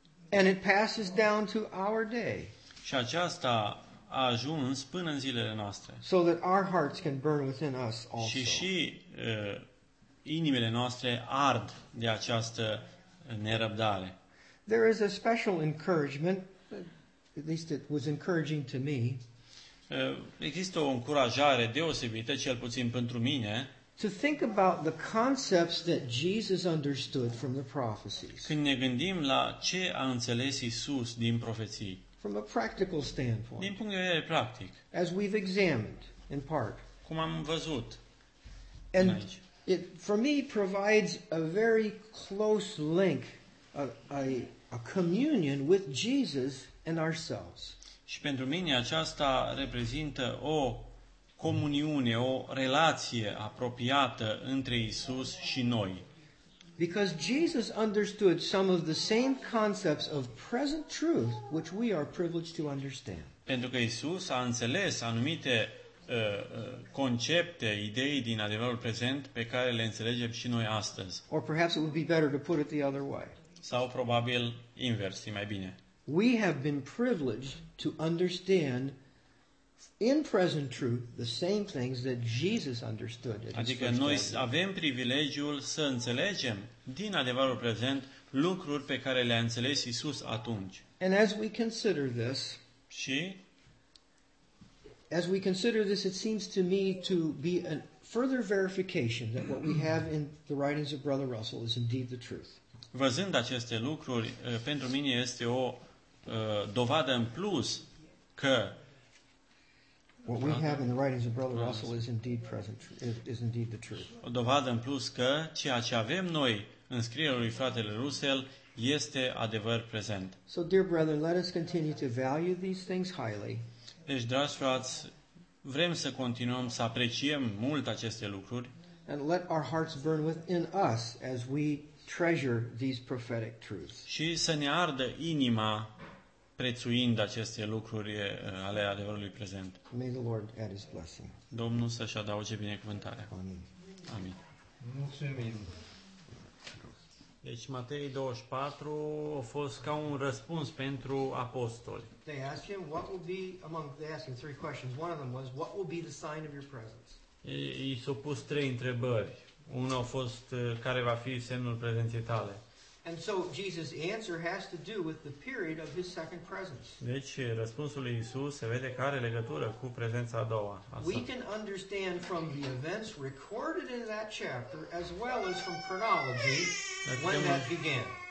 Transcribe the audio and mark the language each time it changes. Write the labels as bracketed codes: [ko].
[en] And it passes down to our day. [ro] Și aceasta a ajuns până în zilele noastre. [en] So that our hearts can burn within us also. [ro] Și inimile noastre ard de această nerăbdare. [en] There is a special encouragement, at least it was encouraging to me. [ro] Există o încurajare deosebită, cel puțin pentru mine. [en] To think about the concepts that Jesus understood from the prophecies. [ro] Când ne gândim la ce a înțeles Iisus din profeții. [en] From a practical standpoint. [ro] Din punct de vedere practic. [en] As we've examined in part. [ro] Cum am văzut. [en] And it for me provides a very close link, a communion with Jesus and ourselves. [ro] Și pentru mine aceasta reprezintă o comuniune, o relație apropiată între Iisus și noi. [en] Because Jesus understood some of the same concepts of present truth which we are privileged to understand. [ro] Pentru că Iisus a înțeles anumite concepte, idei din adevărul prezent pe care le înțelegem și noi astăzi. [en] Or perhaps it would be better to put it the other way. [ro] Sau probabil invers, e mai bine. [en] We have been privileged to understand in present truth the same things that Jesus understood. [ro] Adică noi avem privilegiul să înțelegem din adevărul prezent lucruri pe care le-a înțeles Iisus atunci. [en] And as we consider this, [ro] și [en] as we consider this, it seems to me to be a further verification that what we have in the writings of Brother Russell is indeed the truth. [ro] Văzând aceste lucruri, pentru mine este o dovadă în plus că [en] what we have in the writings of Brother Russell is indeed present, is indeed the truth. [ro] O dovadă în plus că ceea ce avem noi în scrierile lui fratele Russell este adevăr prezent. [en] So, dear brother, let us continue to value these things highly. [ro] Deci, dragi frați, vrem să continuăm să apreciem mult aceste lucruri. [en] And let our hearts burn within us as we treasure these prophetic truths. [ro] Și să ne ardă inima prețuind aceste lucruri ale adevărului prezent. [en] May the Lord add his blessing. [ro] Domnul să-și adauge binecuvântarea. Amin. Amin. Mulțumim. Deci Matei 24 a fost ca un răspuns pentru apostoli. [en] They asked him what will be among they asked him three questions. One of them was what will be the sign of your presence. [ro] I s-au pus trei întrebări. Una a fost care va fi semnul prezenței tale. [en] And so Jesus' answer has to do with the period of his second presence. [ro] Deci răspunsul lui Iisus se vede că are legătură cu prezența a doua. [en] We can understand from the events recorded in that chapter as well as from chronology when that began.